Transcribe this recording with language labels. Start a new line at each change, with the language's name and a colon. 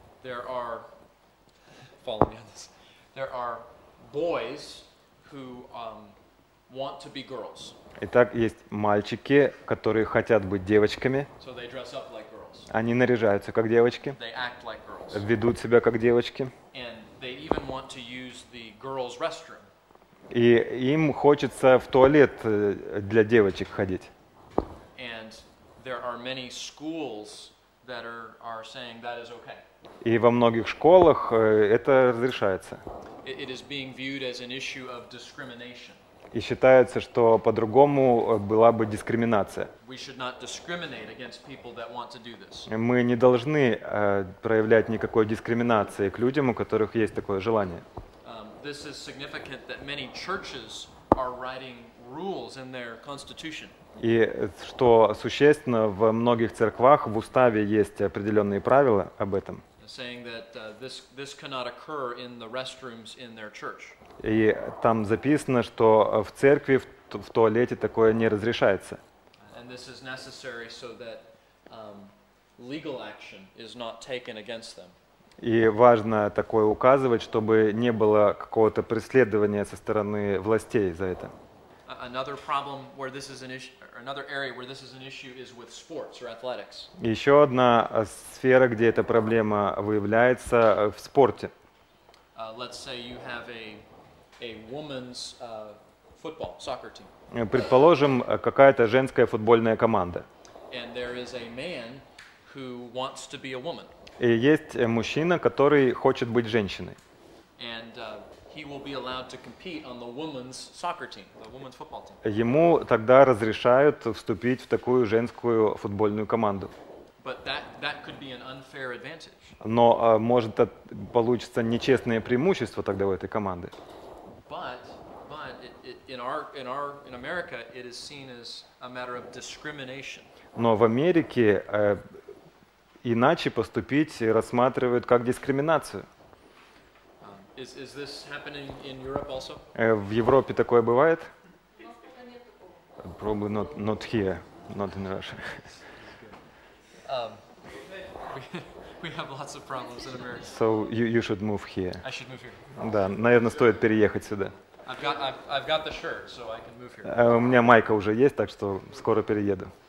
English: There are, follow me on this. There are boys who want to be girls.
Russian: Итак, есть мальчики, которые хотят быть девочками.
English: So they dress up like girls.
Russian: Они наряжаются как девочки.
English: They act like girls.
Russian: Ведут себя как девочки.
English: And they even want to use the girls' restroom.
Russian: И им хочется в туалет для девочек ходить.
English: And there are many schools that are saying that is okay.
Russian: И во многих школах это разрешается.
English: It is being viewed as an issue of discrimination.
Russian: И считается, что по-другому была бы дискриминация.
English: We should not discriminate against people that want to do this.
Russian: Мы не должны проявлять никакой дискриминации к людям, у которых есть такое желание.
English: This is significant that many churches are writing rules in their constitution.
Russian: И что существенно, в многих церквах в уставе есть определенные правила об этом.
English: Saying that this cannot occur in the restrooms in their church.
Russian: И там записано, что в церкви в туалете такое не разрешается.
English: And this is necessary so that legal action is not taken against them.
Russian: И важно такое указывать, чтобы не было какого-то преследования со стороны властей за это.
English: Another problem where this is an issue, another area where this is an issue is with sports or athletics.
Russian: Еще одна сфера, где эта проблема выявляется, в спорте.
English: Let's say you have a woman's football soccer team.
Russian: Предположим, какая-то женская футбольная команда.
English: And there is a man who wants to be a woman.
Russian: И есть мужчина, который хочет быть женщиной.
English: And he will be allowed to compete on the women's soccer team, the women's football team.
Russian: Ему тогда разрешают вступить в такую женскую футбольную команду.
English: But that could be an unfair advantage.
Russian: Но может получиться нечестное преимущество тогда у этой команды.
English: But in America it is seen as a matter of discrimination.
Russian: Но в Америке иначе поступить рассматривают как дискриминацию.
English: Is this happening in Europe also?
Russian: В Европе такое бывает?
English: Probably not here, not in Russia. We have lots of problems in America. So you should move here. I should move here.
Russian: Да, наверное, стоит переехать сюда.
English: I've got the shirt, so I can move here.
Russian: У меня майка уже есть, так что скоро перееду.